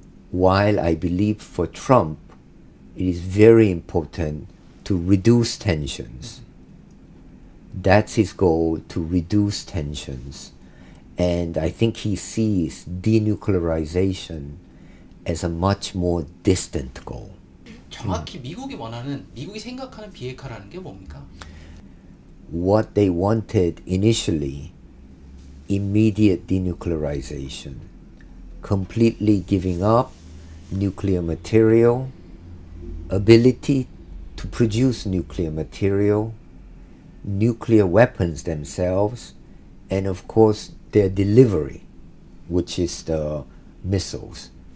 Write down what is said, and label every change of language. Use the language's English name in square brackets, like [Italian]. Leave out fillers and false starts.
[English] While I believe for Trump, it is very important to reduce tensions. That's his goal, to reduce tensions. And I think he sees denuclearization as a much more distant goal. [Korean] 정확히 미국이 원하는, 미국이 생각하는 비핵화라는 게 뭡니까? [English] What they wanted initially, immediate denuclearization, completely giving up nuclear material, ability to produce nuclear material, nuclear weapons themselves, and of course, their delivery, which is the missiles.